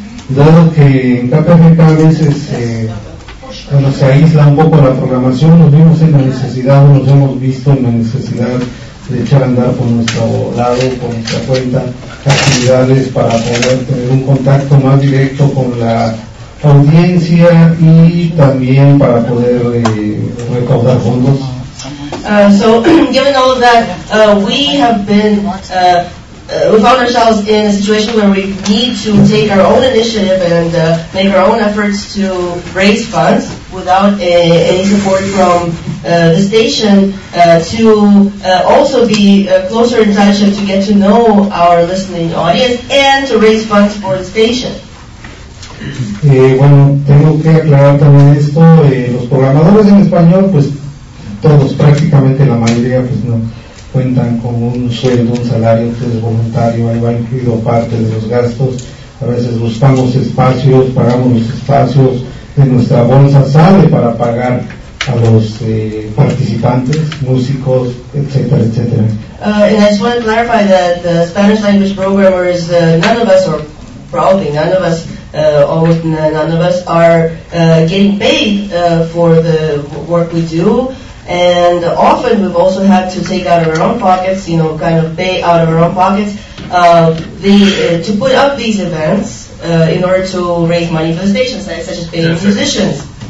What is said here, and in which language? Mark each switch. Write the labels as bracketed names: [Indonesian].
[Spanish] Dado que en KPFK a veces cuando se aísla un poco la programación, nos vimos en la necesidad, nos hemos visto en la necesidad de echar a andar por nuestro lado, por nuestra cuenta, actividades para poder tener un contacto más directo con la audiencia y también para poder recaudar fondos. [English] So given all of that, we have been, we found ourselves in a situation where we need to take our own initiative and make our own efforts to raise funds without any support from the station to also be closer in touch and to get to know our listening audience and to raise funds for the station. [Spanish] Bueno, tengo que aclarar también esto, los programadores en español, pues todos, prácticamente la mayoría, pues no cuentan con un sueldo, un salario que es voluntario, ahí va incluido parte de los gastos, a veces buscamos espacios, pagamos los espacios, de nuestra bolsa sale para pagar a los participantes, músicos, etcétera, etcétera. [English] And I just want to clarify that the Spanish language programmers, none of us, or probably none of us, almost none of us are getting paid for the work we do. And often we've also had to take out of our own pockets, you know, kind of pay out of our own pockets to put up these events in order to raise money for the station, such as paying musicians.